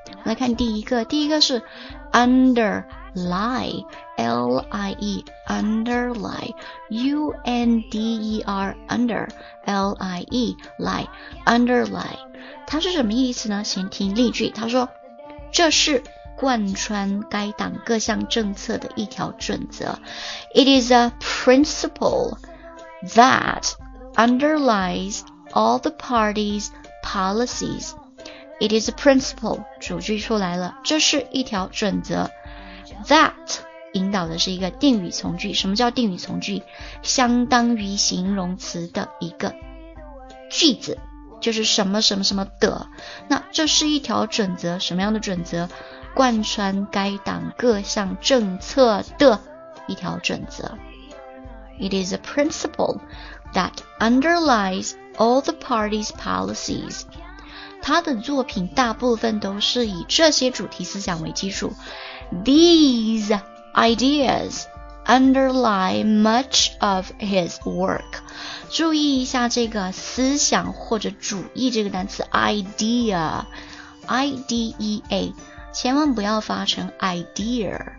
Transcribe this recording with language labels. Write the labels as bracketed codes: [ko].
[zh] 来看第一个，第一个是 underlie,L-I-E, underlie,U-N-D-E-R, under, L-I-E, lie, underlie。它是什么意思呢？先听例句，它说，这是贯穿该党各项政策的一条准则。 [en] It is a principle,That underlies all the party's policies. It is a principle. [zh] 主句出来了，这是一条准则。That 引导的是一个定语从句。什么叫定语从句？相当于形容词的一个句子，就是什么什么什么的。那这是一条准则，什么样的准则？贯穿该党各项政策的一条准则。 [en] It is a principle that underlies all the party's policies. [zh] 他的作品大部分都是以这些主题思想为基础。 [en] These ideas underlie much of his work. [zh] 注意一下这个思想或者主义这个单词 idea, I-D-E-A, 千万不要发成 idea.